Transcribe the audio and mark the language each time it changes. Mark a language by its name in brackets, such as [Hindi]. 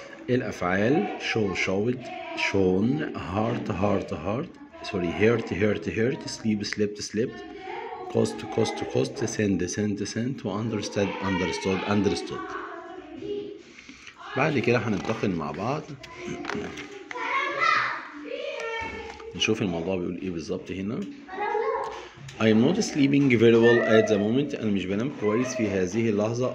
[English] الأفعال show showed shown، heart heart heart sorry hurt hurt hurt، sleep slept slept، cost cost cost، send send send، to understand understood understood. [Arabic] بعد كده هننتقل مع بعض نشوف الموضوع بيقول ايه بالظبط هنا. [English] I'm not sleeping very well at the moment. [Arabic] أنا مش بنام كويس في هذه اللحظة.